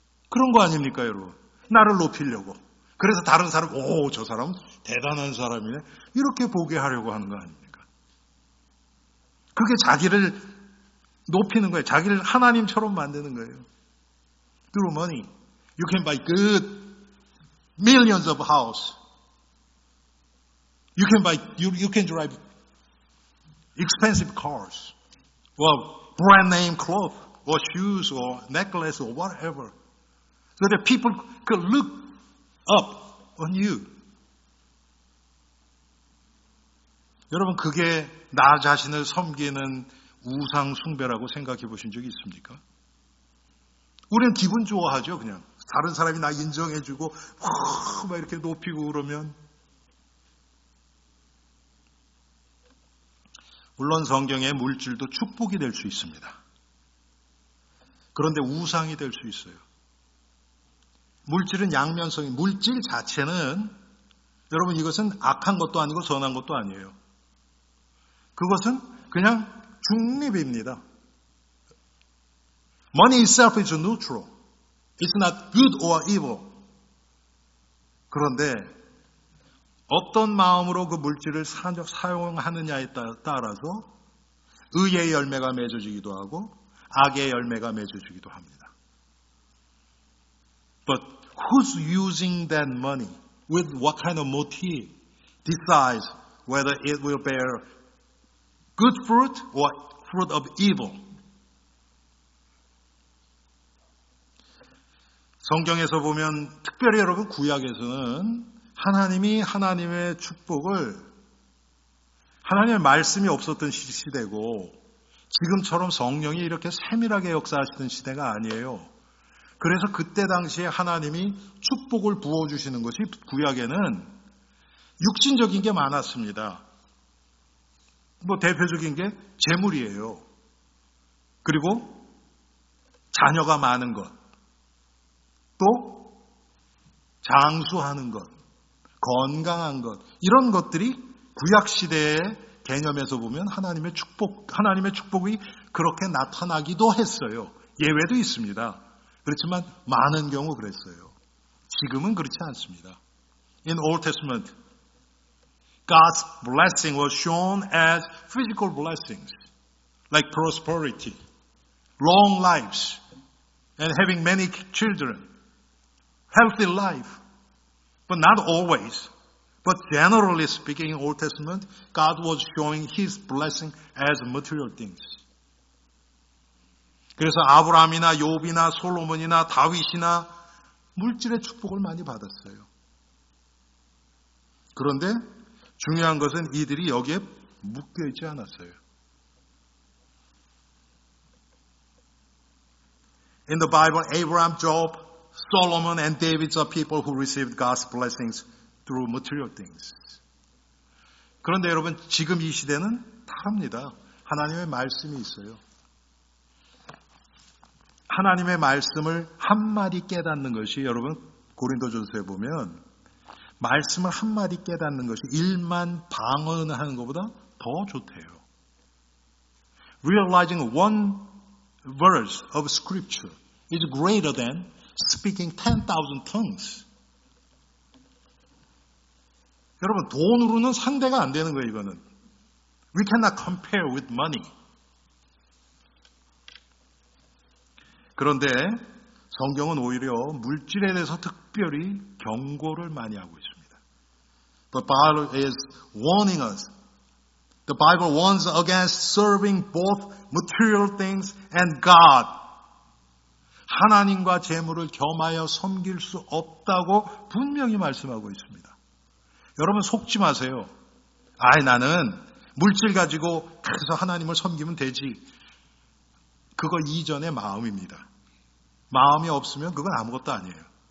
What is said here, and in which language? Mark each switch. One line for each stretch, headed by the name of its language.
Korean: 그런 거 아닙니까, 여러분? 나를 높이려고. 그래서 다른 사람, 오, 저 사람 대단한 사람이네. 이렇게 보게 하려고 하는 거 아닙니까? 그게 자기를 높이는 거예요. 자기를 하나님처럼 만드는 거예요.
English: Through money, you can buy good millions of house. You can drive expensive cars. Well, brand name clothes or shoes or necklace or whatever. So that people could look up on you.
Korean: 여러분, 그게 나 자신을 섬기는 우상 숭배라고 생각해 보신 적이 있습니까? 우리는 기분 좋아하죠, 그냥. 다른 사람이 나 인정해 주고 막 이렇게 높이고 그러면. 물론 성경에 물질도 축복이 될 수 있습니다. 그런데 우상이 될 수 있어요. 물질은 양면성이, 물질 자체는 여러분 이것은 악한 것도 아니고 선한 것도 아니에요. 그것은 그냥 중립입니다.
English: Money itself is neutral. It's not good or evil.
Korean: 그런데 어떤 마음으로 그 물질을 사용하느냐에 따라서 의의 열매가 맺어지기도 하고 악의 열매가 맺어지기도 합니다.
English: But who's using that money? With what kind of motive decides whether it will bear good fruit or fruit of evil?
Korean: 성경에서 보면 특별히 여러분 구약에서는 하나님이 하나님의 축복을 하나님의 말씀이 없었던 시대고 지금처럼 성령이 이렇게 세밀하게 역사하시던 시대가 아니에요. 그래서 그때 당시에 하나님이 축복을 부어주시는 것이 구약에는 육신적인 게 많았습니다. 뭐 대표적인 게 재물이에요. 그리고 자녀가 많은 것, 또 장수하는 것, 건강한 것, 이런 것들이 구약 시대의 개념에서 보면 하나님의 축복이 그렇게 나타나기도 했어요. 예외도 있습니다. 그렇지만 많은 경우 그랬어요. 지금은 그렇지 않습니다.
English: In Old Testament, God's blessing was shown as physical blessings, like prosperity, long lives, and having many children, healthy life. But not always. But generally speaking, in Old Testament, God was showing His blessing as material things.
Korean: 그래서 아브라함이나 욥이나 솔로몬이나 다윗이나 물질의 축복을 많이 받았어요. 그런데 중요한 것은 이들이 여기에 묶여있지 않았어요.
English: In the Bible, Abraham, Job, Solomon, and David are people who received God's blessings through material things.
Korean: 그런데 여러분, 지금 이 시대는 다릅니다. 하나님의 말씀이 있어요. 하나님의 말씀을 한마디 깨닫는 것이 여러분 고린도전서에 보면 말씀을 한마디 깨닫는 것이 일만 방언하는 것보다 더 좋대요.
English: Realizing one verse of scripture is greater than speaking 10,000 tongues.
Korean: 여러분 돈으로는 상대가 안 되는 거예요 이거는.
English: We cannot compare with money.
Korean: 그런데 성경은 오히려 물질에 대해서 특별히 경고를 많이 하고 있습니다.
English: The Bible is warning us. The Bible warns against serving both material things and God.
Korean: 하나님과 재물을 겸하여 섬길 수 없다고 분명히 말씀하고 있습니다. 여러분 속지 마세요. 아이 나는 물질 가지고 그래서 하나님을 섬기면 되지. 그거 이전의 마음입니다. 마음이 없으면 그건 아무것도 아니에요.